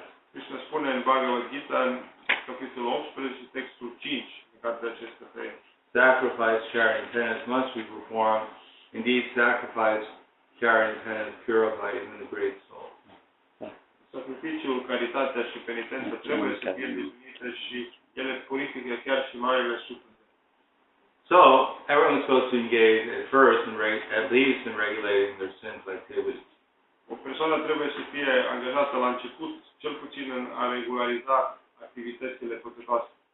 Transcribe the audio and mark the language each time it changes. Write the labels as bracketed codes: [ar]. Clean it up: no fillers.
[ro] Krishna spune în Bhagavad Gita, în capitolul 18, textul 5, în cartea acestea trei. [en] Sacrifice, charity, penance must be performed. Indeed, sacrifice, charity, penance purify even the great soul. [ro] Sacrificiul, caritatea și penitența trebuie să fie definite și ele purifică chiar și marile suflete. [en] So, everyone is supposed to engage at first, at least in regulating their sinful activities. [ro] O persoană trebuie să fie angajată la început, cel puțin în a regulariza activitățile păcătoase.